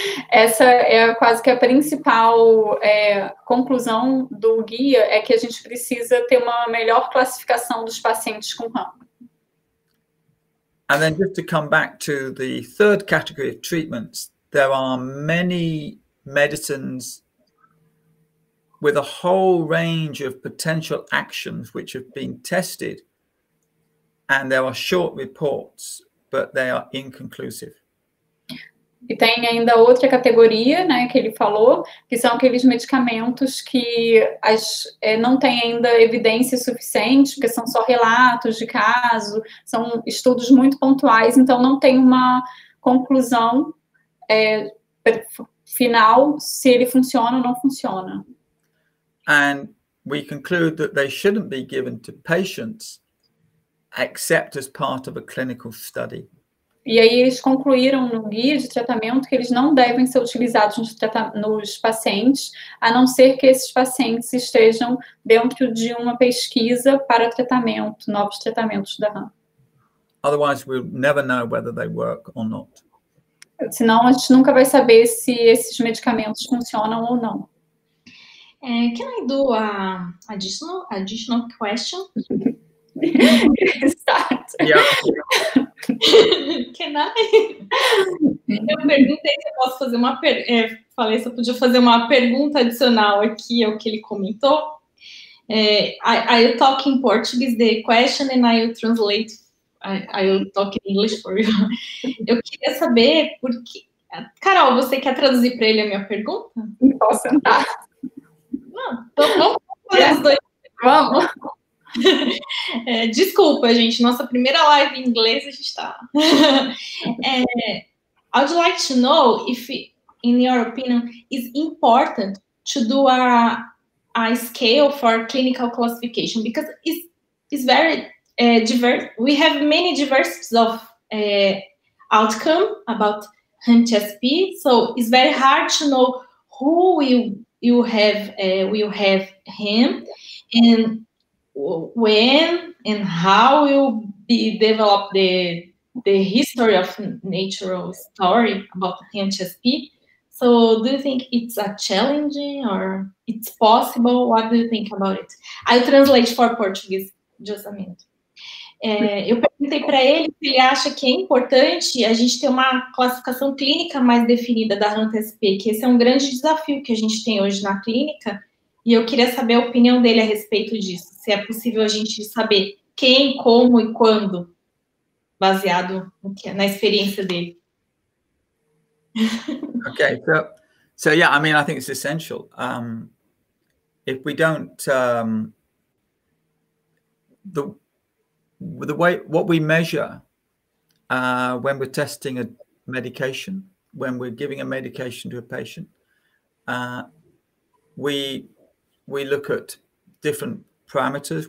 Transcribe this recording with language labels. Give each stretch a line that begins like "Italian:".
Portuguese: Essa é quase que a principal conclusão do guia, é que a gente precisa ter uma melhor classificação dos pacientes com HAM.
English: And then just to come back to the third category of treatments, there are many medicines with a whole range of potential actions which have been tested, and there are short reports, but they are inconclusive.
Portuguese: E tem ainda outra categoria, né, que ele falou, que são aqueles medicamentos que não têm ainda evidência suficiente, porque são só relatos de caso, são estudos muito pontuais, então não tem uma conclusão final se ele funciona ou não funciona.
English: And we conclude that they shouldn't be given to patients except as part of a clinical study.
Portuguese: E aí eles concluíram no guia de tratamento que eles não devem ser utilizados nos pacientes, a não ser que esses pacientes estejam dentro de uma pesquisa para tratamento, novos tratamentos da RAM.
English: Otherwise, we'll never know whether they work or not.
Portuguese: Senão, a gente nunca vai saber se esses medicamentos funcionam ou não.
English: Can I do an additional question? Start. Can I?
Portuguese: Eu perguntei se eu posso fazer uma falei se eu podia fazer uma pergunta adicional aqui ao que ele comentou.
English: I talk in Portuguese the question and I translate. I talk in English for you.
Portuguese: Eu queria saber porque. Carol, você quer traduzir para ele a minha pergunta? Posso sentar. Não, vamos fazer os dois. Vamos. Desculpa, gente, nossa primeira live em inglês a gente está.
English: I would like to know if, in your opinion, is important to do a scale for clinical classification, because it's very diverse. We have many diversities of outcome about HSP, so it's very hard to know who will have him and when and how will be developed the history of natural story about HSP. So do you think it's a challenging or it's possible? What do you think about it? I'll translate for Portuguese, just a minute.
Portuguese: Eu perguntei para ele se ele acha que é importante a gente ter uma classificação clínica mais definida da HSP, que esse é um grande desafio que a gente tem hoje na clínica, e eu queria saber a opinião dele a respeito disso. Se é possível a gente saber quem, como e quando, baseado no que, na experiência dele.
English: Okay, so yeah, I mean, I think it's essential. If we don't, the way what we measure when we're testing a medication, when we're giving a medication to a patient, we look at different parameters.